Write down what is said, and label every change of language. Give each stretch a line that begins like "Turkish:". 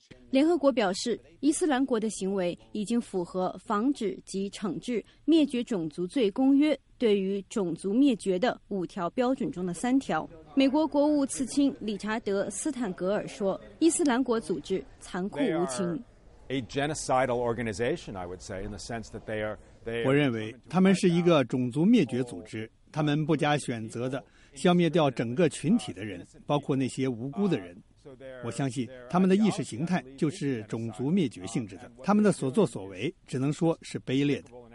Chinese: 联合国表示，伊斯兰国的行为已经符合《防止及惩治灭绝种族罪公约》对于种族灭绝的5条标准中的3条。美国国务次卿理查德·斯坦格尔说，伊斯兰国组织残酷无情。
English: A genocidal organization, I would say, in the sense that they are.
Chinese: 我认为他们是一个种族灭绝组织。他们不加选择地消灭掉整个群体的人，包括那些无辜的人。我相信他们的意识形态就是种族灭绝性质的，他们的所作所为只能说是卑劣的。